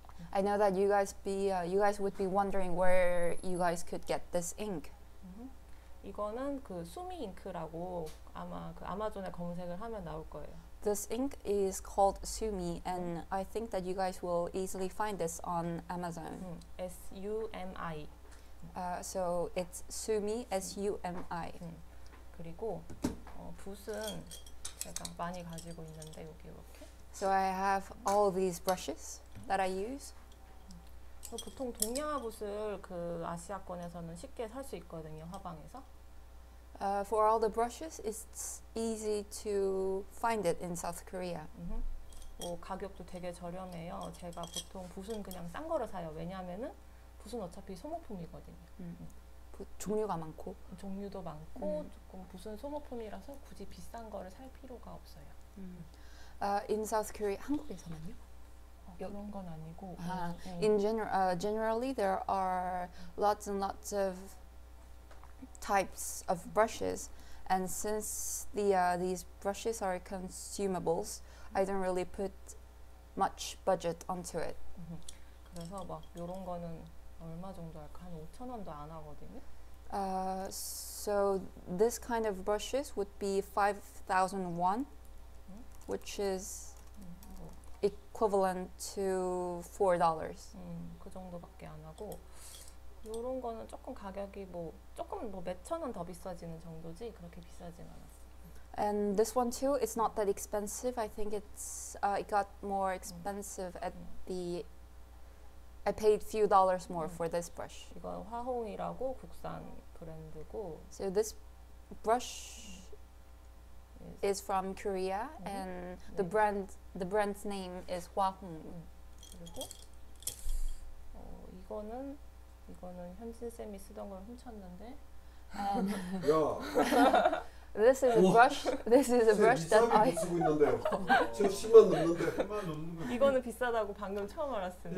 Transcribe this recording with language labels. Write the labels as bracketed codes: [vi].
[en] I know that you guys be you guys would be wondering where you guys could get this ink. [ko] 이거는 그 수미 잉크라고 아마 그 아마존에 검색을 하면 나올 거예요. [en] This ink is called Sumi, and I think that you guys will easily find this on Amazon. S-U-M-I. So it's Sumi, S-U-M-I. [ko] 그리고 붓은 제가 많이 가지고 있는데 여기 이렇게. [en] So I have all these brushes that I use. [ko] 보통 동양 붓을 그 아시아권에서는 쉽게 살 수 있거든요, 화방에서. [en] For all the brushes, it's easy to find it in South Korea. [ko] 오, 가격도 되게 저렴해요. 제가 보통 붓은 그냥 싼 거를 사요. 왜냐하면은 붓은 어차피 소모품이거든요. 종류가 많고. 종류도 많고 조금 붓은 소모품이라서 굳이 비싼 거를 살 필요가 없어요. [en] In South Korea, [ko] 한국에서만요? 그런 건 아니고. [en] In general, generally, there are lots and lots of types of brushes, and since the these brushes are consumables, I don't really put much budget onto it. [ko] 그래서 막 이런 거는 얼마 정도 할까? 한 5천 원도 안 하거든요. [en] So this kind of brushes would be 5,000 won, which is equivalent to $4. [ko] 그 정도밖에 안 하고. 이런 거는 조금 가격이 뭐 조금 뭐 몇천 원 더 비싸지는 정도지 그렇게 비싸진 않았어요. [en] And this one too, it's not that expensive. I think it's it got more expensive at I paid few dollars more for this brush. [ko] 이거 화홍이라고 국산 브랜드고. [en] So this brush is from Korea, and the brand's name is 화홍. [ko] 그리고 이거는 이거는 현진 쌤이 쓰던 걸 훔쳤는데. 야. [en] This is a brush. This is a brush that I [ko] 쓰고 있는데요. 저 10만 넘는데. 10만 넘는 거. 이거는 비싸다고 방금 처음 알았어요.